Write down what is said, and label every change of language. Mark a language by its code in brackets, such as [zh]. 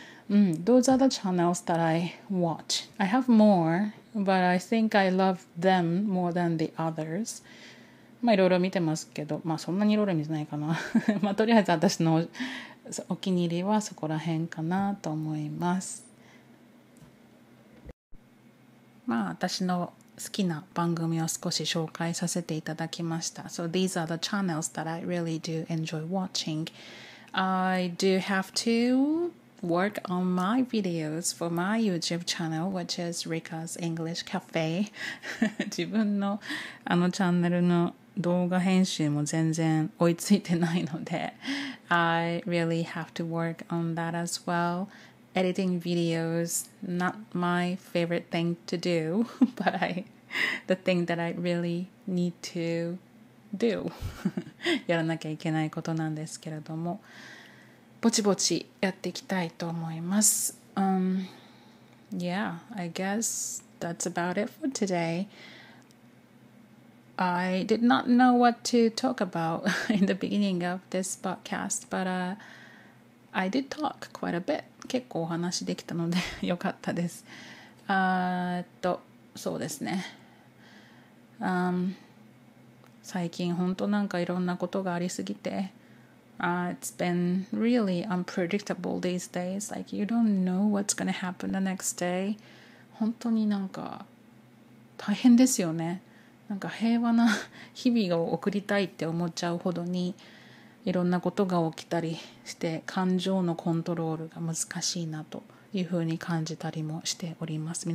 [en] Those are the channels that I watch. I have more, but I think I love them more than the others. [ja] まあいろいろ見てますけど、まあそんなにいろいろ見てないかな。まあとりあえず私のお気に入りはそこら辺かなと思います。まあ私の好きな番組を少し紹介させていただきました。 [en] So these are the channels that I really do enjoy watching. I do have to work on my videos for my YouTube channel, which is Rika's English Cafe. [ja] 自分のあのチャンネルの動画編集も全然追いついてないので、 [en] I really have to work on that as well. Editing videos, not my favorite thing to do, but the thing that I really need to do. [ja] やらなきゃいけないことなんですけれども、ぼちぼちやっていきたいと思います。 [en] Yeah, I guess that's about it for today. I did not know what to talk about in the beginning of this podcast, but I did talk quite a bit. [ja] 結構お話できたのでよかったです。そうですね。最近本当なんかいろんなことがありすぎて。 [en] It's been really unpredictable these days. Like you don't know what's gonna happen the next day. [ja] 本当になんか大変ですよね。なんか平和な日々を送りたいって思っちゃうほどに、いろんなことが起きたりして感情のコントロールが難しいなというふうに感じたりもしております。